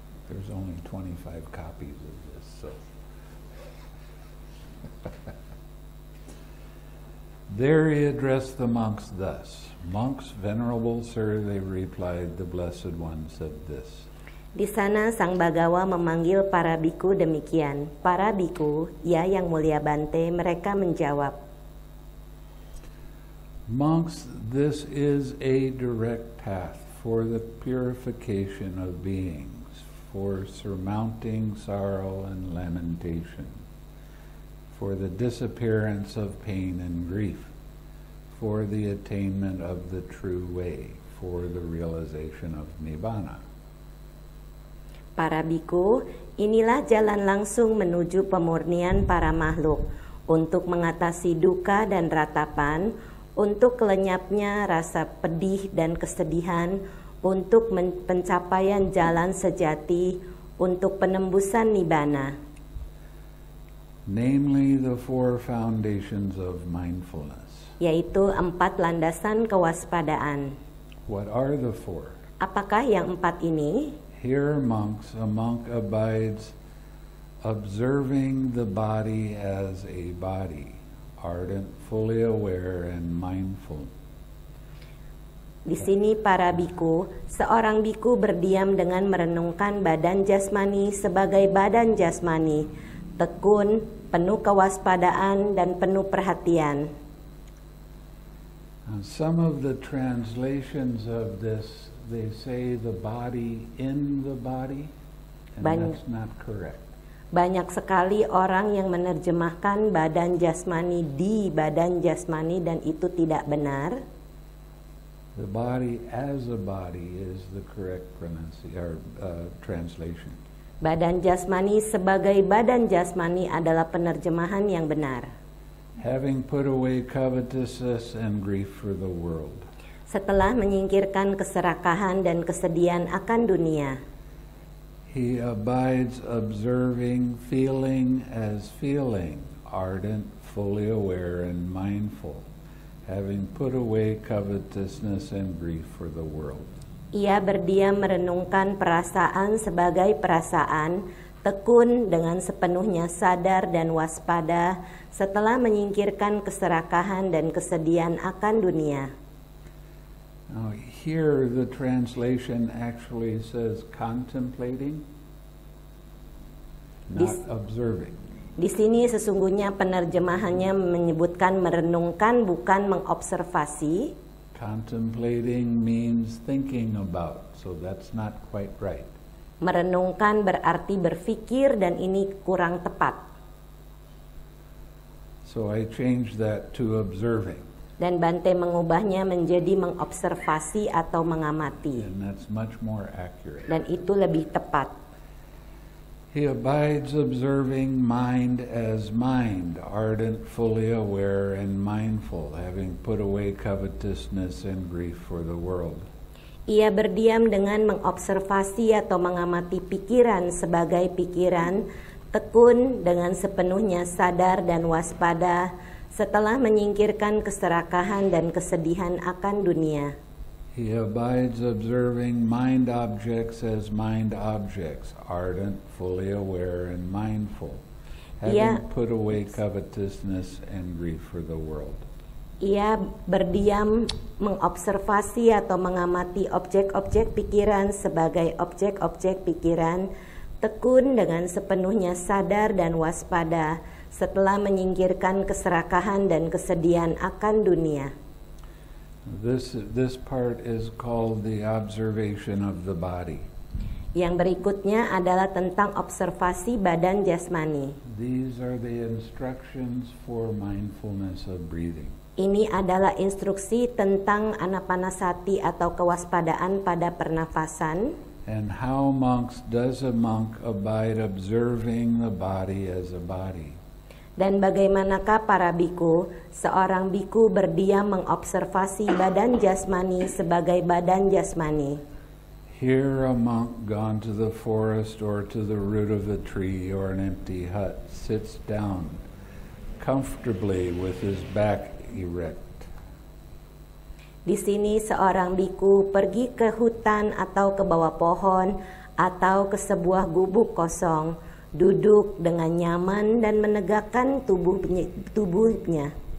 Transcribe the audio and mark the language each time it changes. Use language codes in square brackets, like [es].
[en] There's only 25 copies of this, so... There he addressed the monks thus. Monks, venerable sir, they replied, the blessed one said this. [id] Di sana Sang Bhagawa memanggil para bhikkhu demikian. Para bhikkhu, ya yang mulia Bante, mereka menjawab. [en] Monks, this is a direct path for the purification of beings, for surmounting sorrow and lamentation, for the disappearance of pain and grief, for the attainment of the true way, for the realization of nibbana. [id] Para bhikkhu, inilah jalan langsung menuju pemurnian para makhluk, untuk mengatasi duka dan ratapan, untuk lenyapnya rasa pedih dan kesedihan, untuk pencapaian jalan sejati, untuk penembusan nibbana. [en] Namely the four foundations of mindfulness. [id] Yaitu empat landasan kewaspadaan. [en] What are the four? [id] Apakah yang empat ini? [en] Here, monks, a monk abides observing the body as a body, ardent, fully aware, and mindful. [id] Di sini para bhikkhu, seorang bhikkhu berdiam dengan merenungkan badan jasmani sebagai badan jasmani, tekun, penuh kewaspadaan, dan penuh perhatian. [en] Some of the translations of this, they say the body in the body, and that's not correct. [id] Banyak sekali orang yang menerjemahkan badan jasmani di badan jasmani, dan itu tidak benar. [en] The body as a body is the correct pronunciation or translation. [id] Badan jasmani sebagai badan jasmani adalah penerjemahan yang benar. [en] Having put away covetousness and grief for the world. [id] Setelah menyingkirkan keserakahan dan kesedihan akan dunia. [en] He abides observing, feeling as feeling, ardent, fully aware and mindful. Having put away covetousness and grief for the world. [id] Ia berdiam merenungkan perasaan sebagai perasaan, tekun dengan sepenuhnya sadar dan waspada, setelah menyingkirkan keserakahan dan kesedihan akan dunia. [en] Now, here the translation actually says contemplating, not observing. [id] Di sini sesungguhnya penerjemahannya menyebutkan merenungkan bukan mengobservasi. [en] Contemplating means thinking about, so that's not quite right. [id] Merenungkan berarti berpikir dan ini kurang tepat. [en] So I changed that to observing. [id] Dan Bante mengubahnya menjadi mengobservasi atau mengamati. [en] And that's much more accurate. [id] Dan itu lebih tepat. [en] He abides observing mind as mind, ardent, fully aware and mindful, having put away covetousness and grief for the world. [id] Ia berdiam dengan mengobservasi atau mengamati pikiran sebagai pikiran, tekun dengan sepenuhnya sadar dan waspada, setelah menyingkirkan keserakahan dan kesedihan akan dunia. [en] He abides observing mind objects as mind objects, ardent, fully aware and mindful, having put away covetousness and grief for the world. [id] Ia berdiam mengobservasi atau mengamati objek-objek pikiran sebagai objek-objek pikiran, tekun dengan sepenuhnya sadar dan waspada, setelah menyingkirkan keserakahan dan kesedihan akan dunia. [en] This part is called the observation of the body. [id] Yang berikutnya adalah tentang observasi badan jasmani. [en] These are the instructions for mindfulness of breathing. [id] Ini adalah instruksi tentang anapanasati atau kewaspadaan pada pernafasan. [en] And how monks does a monk abide observing the body as a body? [id] Dan bagaimanakah para biku, seorang biku berdiam mengobservasi badan jasmani sebagai badan jasmani. [en] Here a monk gone to the forest or to the root of a tree or an empty hut sits down comfortably with his back erect. [id] Di sini seorang biku pergi ke hutan atau ke bawah pohon atau ke sebuah gubuk kosong, duduk dengan nyaman dan menegakkan tubuhnya.